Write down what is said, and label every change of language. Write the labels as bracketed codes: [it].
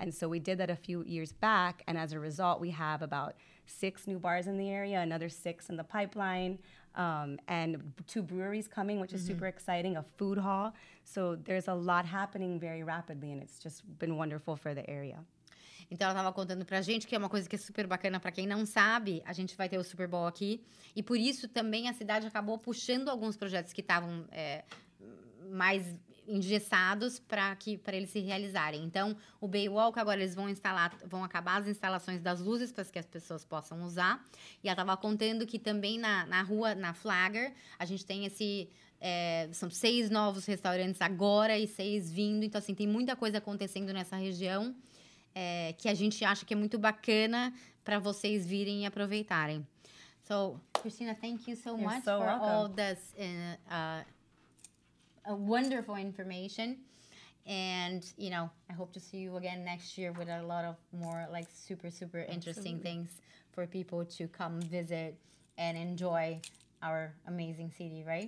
[en] And so we did that a few years back. And as a result, we have about 6 new bars in the area, another 6 in the pipeline. And 2 breweries coming, which is super exciting, a food hall. So there's a lot happening very rapidly, and it's just been wonderful for the area. [pt] Então, ela estava contando para a gente que é uma coisa que é super bacana. Para quem não sabe, a gente vai ter o Super Bowl aqui. E por isso, também, a cidade acabou puxando alguns projetos que estavam mais engessados para eles se realizarem. Então, o Baywalk, agora eles vão instalar, vão acabar as instalações das luzes para que as pessoas possam usar. E ela estava contando que também na rua, na Flagler, a gente tem esse... são 6 novos restaurantes agora e 6 vindo. Então, assim, tem muita coisa acontecendo nessa região que a gente acha que é muito bacana para vocês virem e aproveitarem. [en] So, Christina, thank you so much for all this wonderful information, and you know, I hope to see you again next year with a lot of more like super super interesting things for people to come visit and enjoy our amazing city, right?